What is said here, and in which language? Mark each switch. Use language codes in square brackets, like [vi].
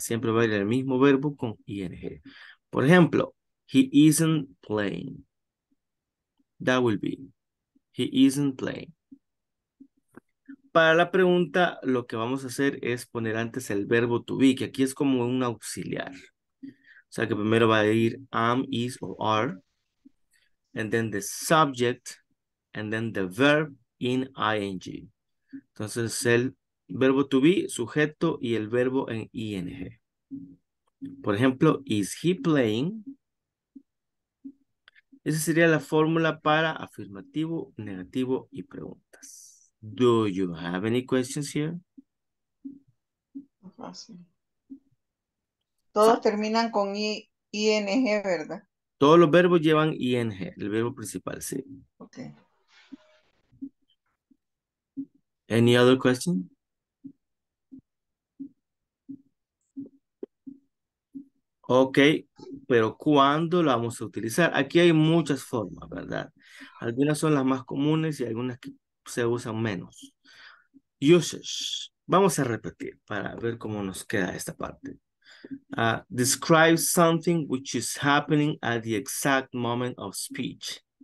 [es] Siempre va a ir el mismo verbo con ing. Por ejemplo, [en] he isn't playing. That will be. He isn't playing. [es] Para la pregunta, lo que vamos a hacer es poner antes el verbo to be, que aquí es como un auxiliar. O sea que primero va a ir am, is, or are. [en] And then the subject, and then the verb in ing. [es] Entonces, el verbo to be, sujeto, y el verbo en ing. Por ejemplo, [en] is he playing? [es] Esa sería la fórmula para afirmativo, negativo y preguntas. [en] Do you have any questions here? [es] Todos terminan con ing, ¿verdad? Todos los verbos llevan ing, el verbo principal, sí. Ok. [en] Any other question? [es] Ok, pero ¿cuándo lo vamos a utilizar? Aquí hay muchas formas, ¿verdad? Algunas son las más comunes y algunas que se usan menos. Uses. Vamos a repetir para ver cómo nos queda esta parte. [en] Describe something which is happening at the exact moment of speech.